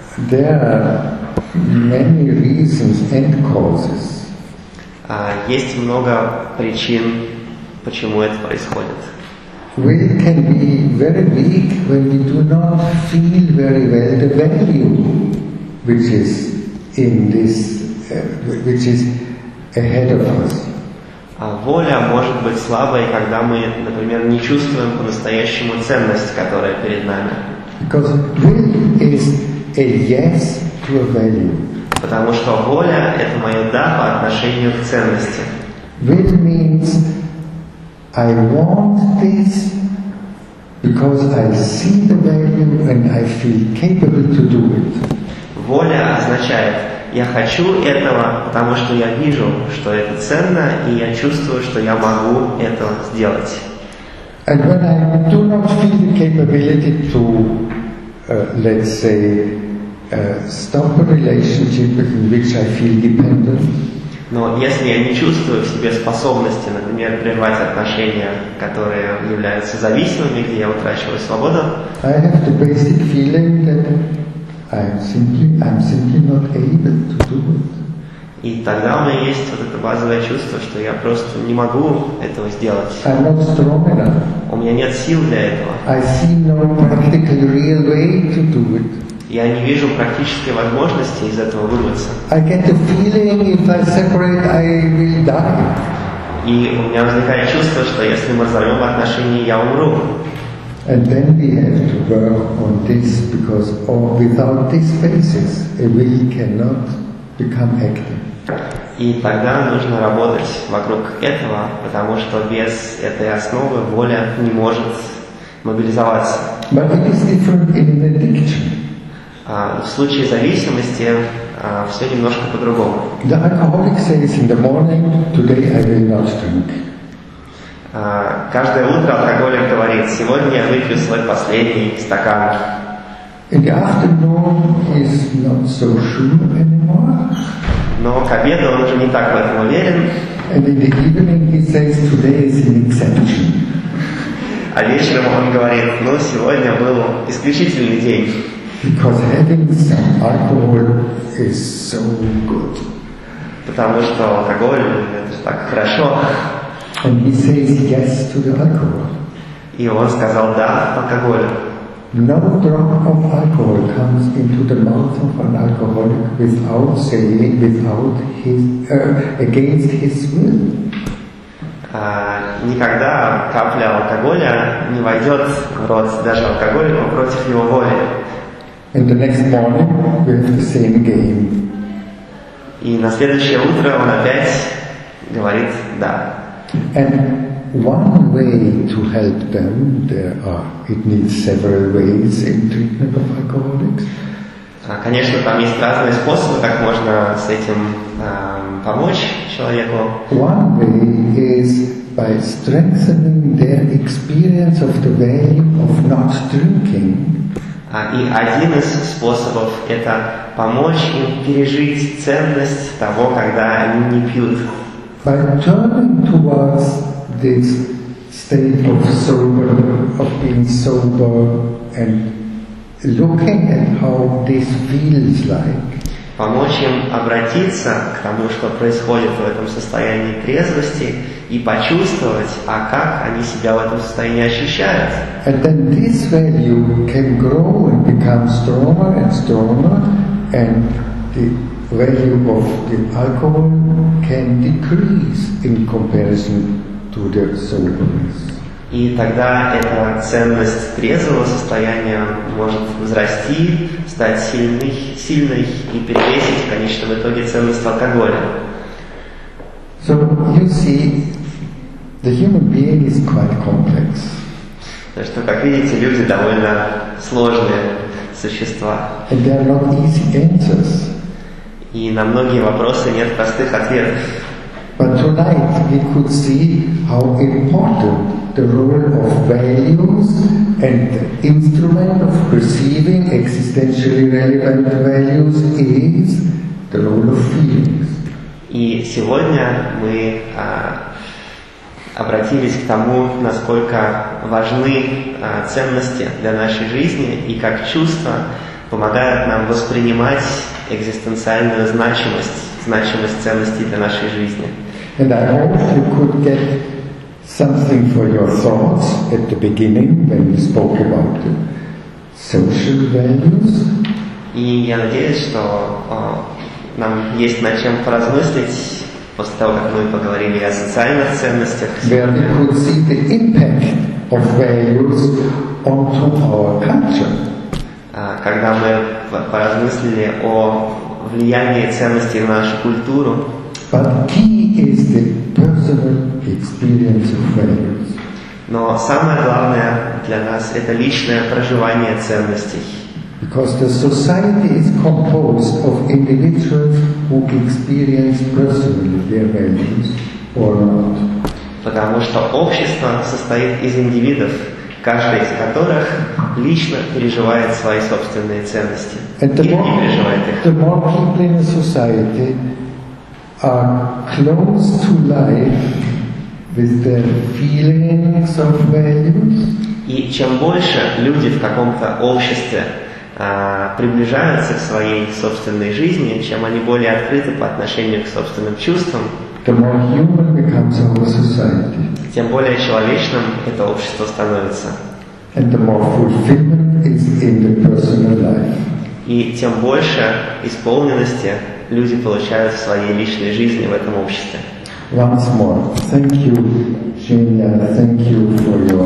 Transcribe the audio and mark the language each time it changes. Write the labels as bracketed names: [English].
[English] There are many reasons and causes. [Russian] Есть много причин, почему это происходит. [English] Will can be very weak when we do not feel very well the value which is in this, which is ahead of us. [Russian] Воля может быть слабой, когда мы, например, не чувствуем по-настоящему ценность, которая перед нами. [English] Because will is a yes to a value. [Russian] Потому что воля — это мое «да» по отношению к ценности. [English] Will means I want this because I see the value and I feel capable to do it. [Russian] Воля означает «я хочу этого, потому что я вижу, что это ценно, и я чувствую, что я могу это сделать». [English] And when I do not feel the capability to, let's say, stop a relationship in which I feel dependent. [Russian] Но если я не чувствую в себе способности, например, прервать отношения, которые являются зависимыми, где я утрачиваю свободу, [English] I have the basic feeling that I'm simply not able to do it. [Russian] И тогда у меня есть вот это базовое чувство, что я просто не могу этого сделать. [English] I'm not strong enough. [Russian] У меня нет сил для этого. [English] I see no practical real way to do it. [Russian] Я не вижу практической возможности из этого вырваться. [English] I get a feeling if I separate, I will die. [Russian] И у меня возникает чувство, что если мы разорвем отношения, я умру. [English] And then we have to work on this, because without this basis, we cannot become active. [Russian] И тогда нужно работать вокруг этого, потому что без этой основы воля не может мобилизоваться. [English] But it is different in an addiction. [Russian] В случае зависимости все немножко по-другому. [English] The alcoholic says in the morning, today I will not drink. [Russian] Каждое утро алкоголик говорит, сегодня я выпью свой последний стакан. [English] In the afternoon is not so sure anymore. [Russian] Но к обеду он уже не так в этом уверен. [English] And in the evening he says, today is an exception. [Russian] А вечером он говорит, ну сегодня был исключительный день. [English] Because having some alcohol is so good. [Russian] Потому что алкоголь это так хорошо. [English] And he says yes to the alcohol. [Russian] И он сказал да алкоголю. [English] No drop of alcohol comes into the mouth of an alcoholic without saying without his against his will. [Russian] Никогда капля алкоголя не войдет в рот даже алкоголику против его воли. [English] And the next morning we have the same game. [Russian] И на следующее утро он опять говорит да. [English] And one way to help them, there are it needs several ways in treatment of alcoholics. [Russian] Конечно, там есть разные способы, как можно с этим помочь человеку. [English] One way is by strengthening their experience of the value of not drinking. [Russian] И один из способов — это помочь им пережить ценность того, когда они не пьют. [English] By turning towards this state of sober, of being sober, and looking at how this feels like. [Russian] Помочь им обратиться к тому, что происходит в этом состоянии трезвости, и почувствовать, а как они себя в этом состоянии ощущают. [English] And then this value can grow and become stronger and stronger, and the value of the alcohol can decrease in comparison to the soberness. [Russian] И тогда эта ценность трезвого состояния может взрасти, стать сильной и перевесить в конечном итоге ценность алкоголя. [English] So you see, the human being is quite complex. [Russian] То есть, как видите, люди довольно сложные существа. [English] And they are not easy answers. [Russian] И на многие вопросы нет простых ответов. [English] But tonight we could see how important the role of values and the instrument of perceiving existentially relevant values is the role of feelings. [Russian] И сегодня мы обратились к тому, насколько важны ценности для нашей жизни и как чувства помогают нам воспринимать экзистенциальную значимость ценностей для нашей жизни. [English] And I hope you could get something for your thoughts at the beginning when we spoke about the social values. [Russian] И я надеюсь, что нам есть над чем поразмыслить после того, как мы поговорили о социальных ценностях. [English] Where we could see the impact of values onto our culture. [Russian] Когда мы поразмыслили о влиянии ценностей на нашу культуру. [English] But key is the personal experience of values. [Russian] Но самое главное для нас это личное проживание ценностей. [English] Because the society is composed of individuals who experience personally their values or not. [Russian] Потому что общество состоит из индивидов, каждый из которых лично переживает свои собственные ценности. [English] And the more people in a society are close to life with their feelings of values. [Russian] И чем больше люди в каком-то обществе приближаются к своей собственной жизни, чем они более открыты по отношению к собственным чувствам, [English] the more human becomes our society. [Russian] Тем более человечным это общество становится. [English] And the more fulfillment is in the personal life. [Russian] И тем больше исполненности люди получают в своей личной жизни в этом обществе. [English] Once more, thank you, Женя, thank you for